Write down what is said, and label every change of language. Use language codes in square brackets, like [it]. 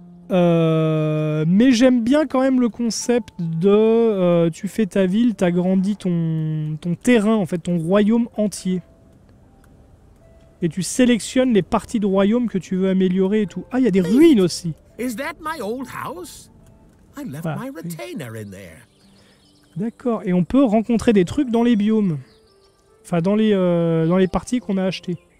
[fr] Mais j'aime bien quand même le concept de tu fais ta ville, t'agrandis ton terrain, en fait ton royaume entier. Et tu sélectionnes les parties de royaume que tu veux améliorer et tout. Ah, il y a des ruines aussi. [en] Is that my old house? I left my retainer in there. [fr] D'accord, et on peut rencontrer des trucs dans les biomes. Enfin, dans les parties qu'on a achetées.